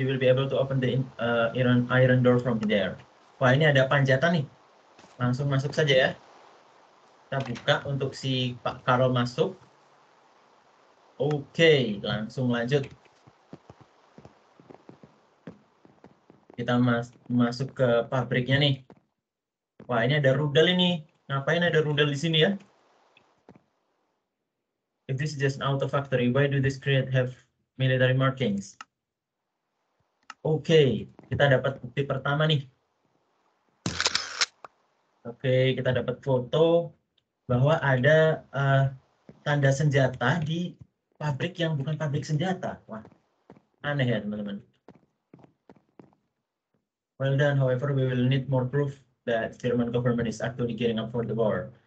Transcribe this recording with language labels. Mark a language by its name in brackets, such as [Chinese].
[English] You will be able to open the iron door from there. [Indonesian] Wah, ini ada panjatan nih. Langsung masuk saja ya. Kita buka untuk si Pak Karol masuk. Okay, langsung lanjut. Kita masuk ke pabriknya nih. Wah, ini ada rudal ini. Ngapain ada rudal di sini ya? [English] If this is just an auto factory, why do this crate have military markings? [Indonesian] Okay, kita dapat bukti pertama nih. Okay, kita dapat foto bahwa ada tanda senjata di pabrik yang bukan pabrik senjata. Wah, aneh ya teman-teman. [English] Well done, however, we will need more proof that German government is actually gearing up for the war.